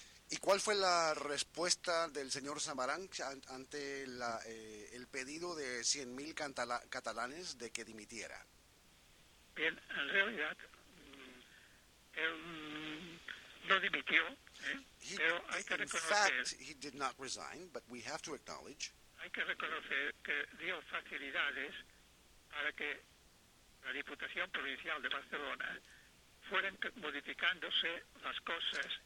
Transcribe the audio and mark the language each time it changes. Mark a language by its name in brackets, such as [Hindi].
[Spanish] ¿Y cuál fue la respuesta del señor Samaranch ante el pedido de 100,000 catalanes de que dimitiera? Bien, en realidad, él no dimitió, pero hay que reconocer... [English] In fact, he did not resign, but we have to acknowledge... [Spanish] Hay que reconocer que dio facilidades para que la Diputación Provincial de Barcelona fueran modificándose las cosas...